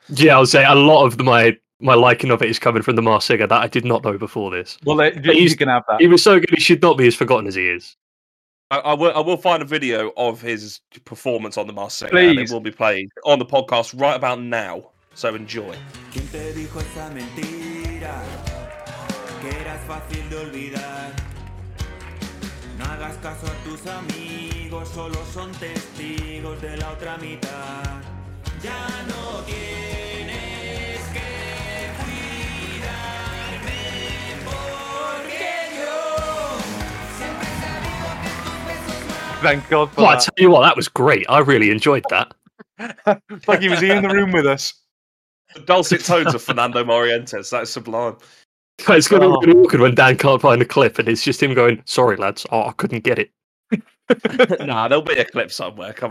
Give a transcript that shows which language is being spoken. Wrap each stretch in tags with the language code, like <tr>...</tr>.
<en>Yeah, I'll say a lot of my liking of it is coming from the Masked Singer that I did not know before this. Well, he's going to have that. He was so good, he should not be as forgotten as he is. I will find a video of his performance on the Masked Singer. Please. And it will be playing on the podcast right about now. So enjoy.</en> <es>¿Quién te dijo esa mentira? Que eras fácil de olvidar. No hagas caso a tus amigos, solo son testigos de la otra mitad. Ya no tienes que cuidarme porque yo siempre he sabido que tus besos más.</es> <en>Thank God for that. I tell you what, that was great. I really enjoyed that. Like he was in the room with us. The dulcet tones of Fernando Morientes. That is sublime. It's going to be really awkward when Dan can't find a clip and it's just him going, sorry, lads. Oh, I couldn't get it. Nah, there'll be a clip somewhere. Come</en>